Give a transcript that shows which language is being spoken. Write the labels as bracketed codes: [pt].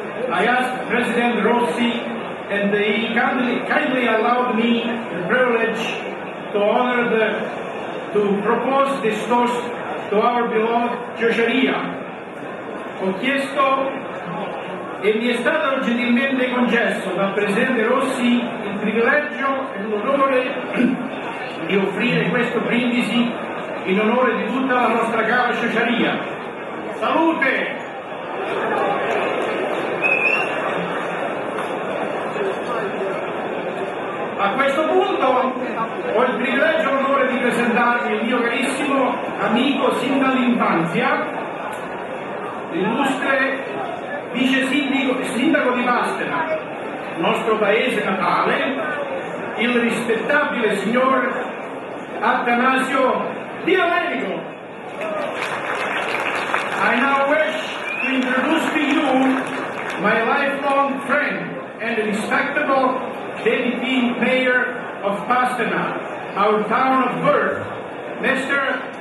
[en] I asked President Rossi and he kindly allowed me the privilege to honor to propose this toast to our beloved Ciociaria. [it] Ho chiesto e mi è stato gentilmente concesso dal Presidente Rossi il privilegio e l'onore di offrire questo brindisi in onore di tutta la nostra cara Ciociaria. Salute! A questo punto ho il privilegio e l'onore di presentarvi il mio carissimo amico sin dall'infanzia, l'illustre vice sindaco di Pastena, nostro paese natale, il rispettabile signor Atanasio Di Domenico. [en] I now wish to introduce to you my lifelong friend and respectable deputy mayor of Pastena, our town of birth, Mr.